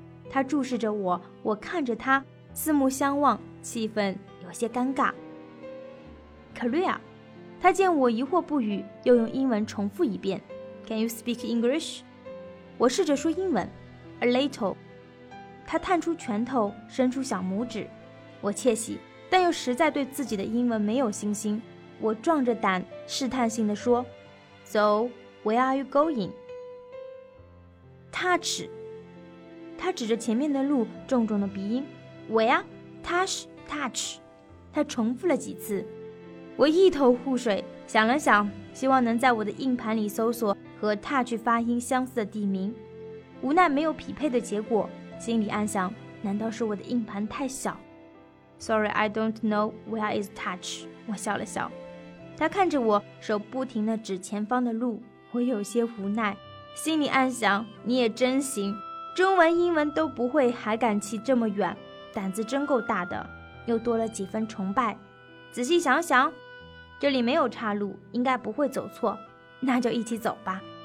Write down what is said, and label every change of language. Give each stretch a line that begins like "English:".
Chinese: 他注视着我，我看着他，四目相望，气氛有些尴尬。Korea。他见我疑惑不语，又用英文重复一遍
English: Can you speak English?
Chinese: 我试着说英文
English: A little。
Chinese: 他探出拳头，伸出小拇指。我窃喜，但又实在对自己的英文没有信心。我壮着胆试探性地说
English: So, where are you going? Touch。
Chinese: 他指着前面的路，重重的鼻音
English: Where? Touch, touch。
Chinese: 他重复了几次。我一头雾水，想了想，希望能在我的硬盘里搜索和 touch 发音相似的地名，无奈没有匹配的结果，心里暗想，难道是我的硬盘太小？
English: Sorry, I don't know where is touch。
Chinese: 我笑了笑，他看着我，手不停地指前方的路，我有些无奈，心里暗想，你也真行，中文英文都不会还敢骑这么远，胆子真够大的，又多了几分崇拜。仔细想想，这里没有岔路，应该不会走错，那就一起走吧。